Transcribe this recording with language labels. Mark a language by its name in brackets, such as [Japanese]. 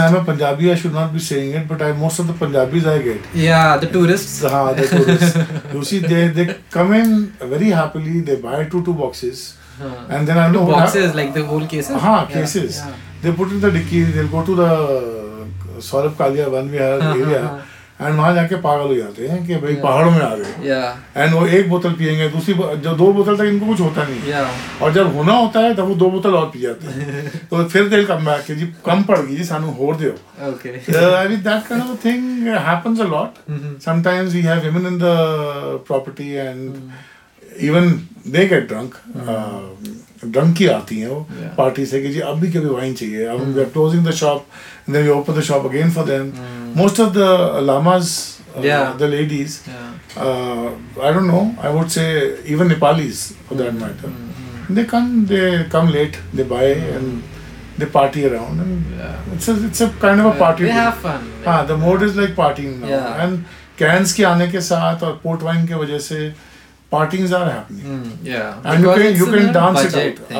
[English] I mean, I'm a Punjabi, I should not be saying it, but most of the Punjabis I get. Yeah, the tourists. Yeah, the tourists. You see, they come in very happily, they buy 2 boxes. And then I know... Boxes, like the whole cases? Cases. Yeah. they put in the dikki, they'll go to the Saurabh Kalia one way area. [Hindi] And वहाँ जाके पागल हो जाते हैं कि भाई पहाड़ों में आ गए एंड वो एक बोतल पियेंगे दूसरी जब दो बोतल तक इनको कुछ होता नहीं और जब होना होता है तब वो दो बोतल और पी जाते हैं तो फिर दे कम बैक कि जी कम पड़ गई जी सानू होर दे that kind of thing happens a lot sometimes we have women in the property and even दे get drunk [English] Drunky आती हैं वो पार्टी से कि जी अब भी कभी वाइन चाहिए अब we are closing the shop and then we open the shop again for them most of the lamas the ladies I don't know I would say even Nepalis for that matter they come late they buy and they party around and it's a kind of a party they have fun the mode is like partying now and cans ke aane ke saath aur port wine ke wajah se partings are happening and because you can dance it out thing.